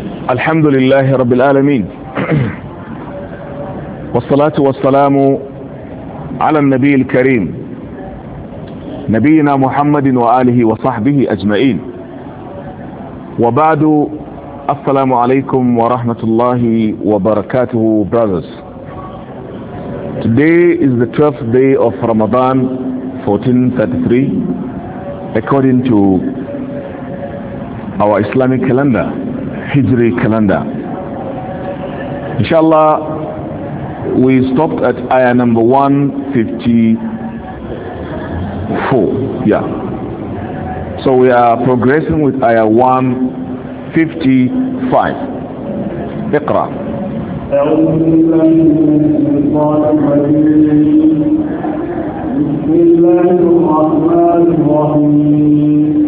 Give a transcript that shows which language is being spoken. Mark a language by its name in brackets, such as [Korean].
[Arabic] الحمد لله رب العالمين، والصلاة والسلام على النبي الكريم نبينا محمد وآله وصحبه أجمعين، وبعد، السلام عليكم ورحمة الله وبركاته. [English] Brothers, today is the 12th day of Ramadan 1433 according to our Islamic calendar, Hijri calendar. Inshallah, we stopped at ayah number 154. Yeah, so we are progressing with ayah 155. [Arabic] اقرأ. أعوذ بالله من الشيطان الرجيم. بسم الله الرحمن الرحيم.